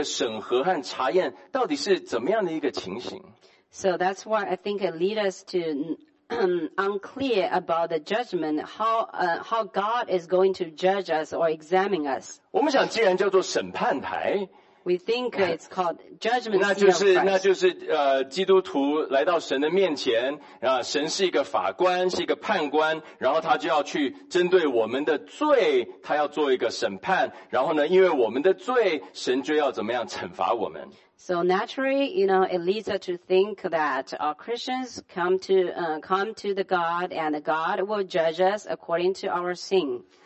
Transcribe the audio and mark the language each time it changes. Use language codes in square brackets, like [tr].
[zh] 那也因此让我们有了一个错误，或不是很容易的明白说，到底这个神对我们的这个审查，或者说他对我们的这个审核和查验，到底是怎么样的一个情形？ [en] So that's why I think it leads us to unclear about the judgment, how God is going to judge us or examine us. [zh] 我们想，既然叫做审判台， [en] we think it's called judgment seat of Christ. [zh] 那就是基督徒来到神的面前，神是一个法官，是一个判官，然后他就要去针对我们的罪，他要做一个审判，然后呢，因为我们的罪，神就要怎么样惩罚我们。 [en] So naturally, you know, it leads us to think that our Christians come to the God and God will judge us according to our sin.